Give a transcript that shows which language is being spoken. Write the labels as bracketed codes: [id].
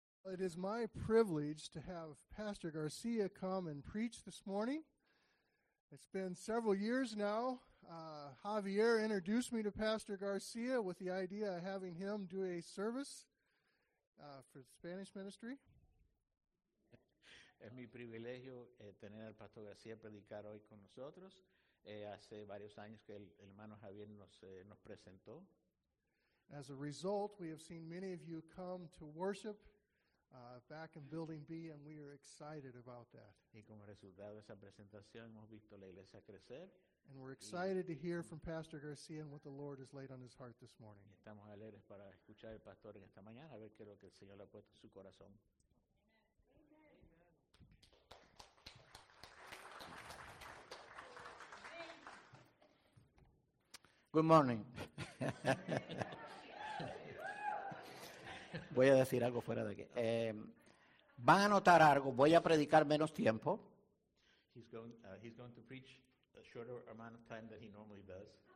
[en] It is my privilege to have Pastor Garcia come and preach this morning. It's been several years now. Javier introduced me to Pastor Garcia with the idea of having him do a service for the Spanish ministry. [es] Es mi privilegio tener al Pastor García predicar hoy con nosotros. Hace varios años que el hermano Javier nos presentó. [en] As a result, we have seen many of you come to worship back in Building B, and we are excited about that. [es] Y como resultado de esa presentación, hemos visto la iglesia crecer. [en] And we're excited to hear from Pastor Garcia and what the Lord has laid on his heart this morning. [es] Y estamos alegres para escuchar al pastor en esta mañana, a ver qué es lo que el Señor le ha puesto en su corazón. [en] Good morning. [es] Voy a decir algo fuera de aquí. Van a notar algo. Voy a predicar menos tiempo. [en] He's going to preach a shorter amount of time than he normally does.